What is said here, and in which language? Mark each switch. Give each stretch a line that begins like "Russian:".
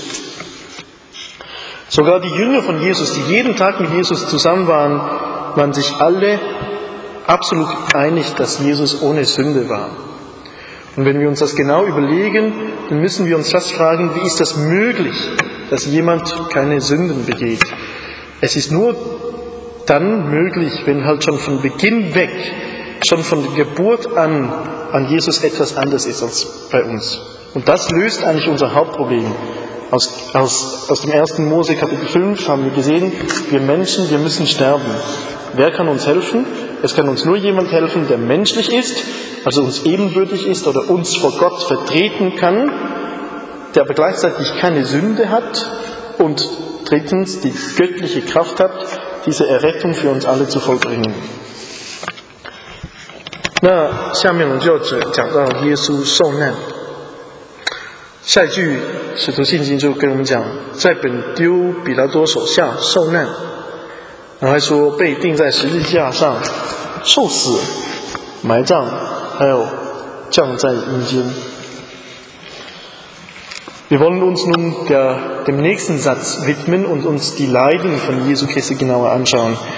Chinese: 谁可以帮助我们？只有一个，他既是人，因为他要能够代表我们。他必须要没有罪，要不然他本来自己就该死了。然后他必须是神，因为只有神才能帮，才能为我们成就这事。
German: So God, die Jünger von Jesus, die jeden Tag mit Jesus zusammen waren, waren sich alle absolut einig, dass Jesus ohne Sünde war. Und wenn wir uns das genau überlegen, dann müssen wir uns das fragen, wie ist das möglich, dass jemand keine Sünden begeht? Es ist nur dann möglich, wenn halt schon von Beginn weg, schon von Geburt an Jesus etwas anders ist als bei uns. Und das löst eigentlich unser Hauptproblem. Aus dem 1. Mose Kapitel 5 haben wir gesehen, wir Menschen, wir müssen sterben. Wer kann uns helfen? Es kann uns nur jemand helfen, der menschlich ist, also uns ebenbürtig ist oder uns vor Gott vertreten kann, der aber gleichzeitig keine Sünde hat und drittens die göttliche Kraft hat, diese Errettung für uns alle zu vollbringen.
Chinese: Na, 下面我们就讲到耶稣受难。下一句使徒信经就跟我们讲，在本丢比拉多手下受难。然后还说被钉在十字架上，受死、埋葬，还有降在阴间。
German: Wir wollen uns nun dem nächsten Satz widmen und uns die Leiden von Jesu Christi genauer anschauen.